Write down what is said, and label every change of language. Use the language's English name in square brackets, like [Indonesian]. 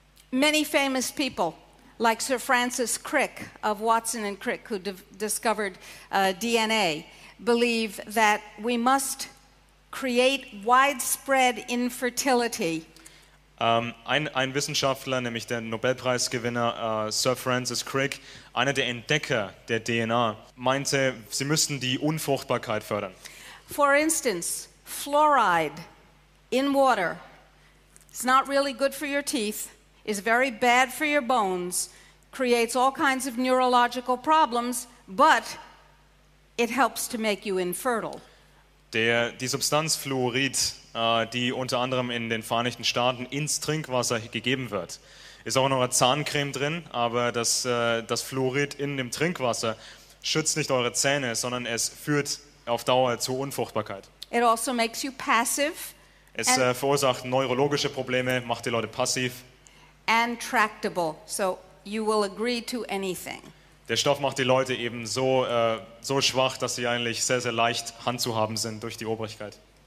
[English] Many famous people, like Sir Francis Crick of Watson and Crick, who discovered DNA, believe that we must create widespread infertility. [German] Ein Wissenschaftler, nämlich der Nobelpreisgewinner Sir Francis Crick, einer der Entdecker der DNA, meinte, sie müssten die Unfruchtbarkeit fördern. [English] For instance, fluoride in water is not really good for your teeth. Is very bad for your bones, creates all kinds of neurological problems, but it helps to make you infertile. [German] Die Substanz Fluorid, die unter anderem in den Vereinigten Staaten ins Trinkwasser gegeben wird, ist auch in eurer Zahncreme drin, aber das Fluorid in dem Trinkwasser schützt nicht eure Zähne, sondern es führt auf Dauer zu Unfruchtbarkeit. [English] It also makes you passive. [German] Es verursacht neurologische Probleme, macht die Leute passiv. [English] And tractable, so you will agree to anything. [German] Der Stoff macht die Leute eben so so schwach, dass sie eigentlich sehr sehr leicht handzuhaben sind durch die Obrigkeit.